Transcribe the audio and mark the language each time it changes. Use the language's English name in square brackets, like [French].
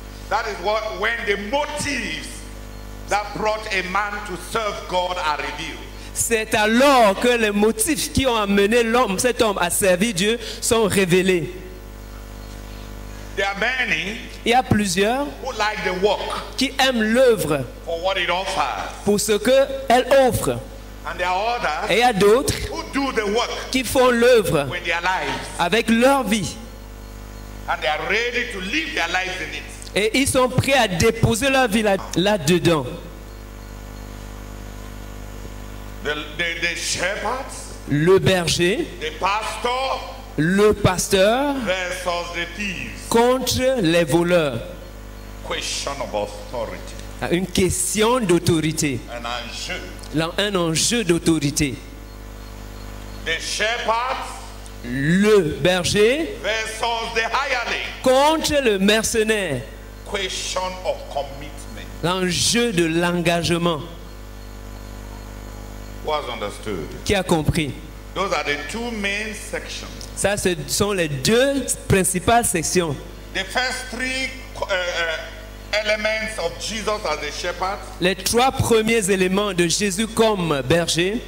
[English] That is what when the motives that brought a man to serve God are revealed. [French] C'est alors que les motifs qui ont amené l'homme, cet homme, à servir Dieu sont révélés. [English] There are many. [French] Il y a plusieurs [English] who like the work [French] qui aiment l'œuvre [English] for what it offers. [French] Pour ce que elle offre. [English] And there are others. [French] Et il y a d'autres [English] who do the work [French] qui font l'œuvre [English] with their lives [French] avec leur vie. [English] And they are ready to live their lives in it. [French] Et ils sont prêts à déposer leur vie là-dedans. [English] The shepherds, [French] le berger, [English] the pastor, [French] le pasteur [English] versus the thieves. [French] Contre les voleurs. [English] Question of authority. [French] Une question d'autorité. Un enjeu d'autorité. [English] The shepherds, [French] le berger [English] versus the hireling. [French] Contre le mercenaire. [English] Question of commitment. [French] L'enjeu de l'engagement. [English] Was understood. [French] Qui a compris? [English] Those are the two main sections. [French] Ça, ce sont les deux principales sections. [English] The first three elements of Jesus as a shepherd. [French] Les trois premiers éléments de Jésus comme berger.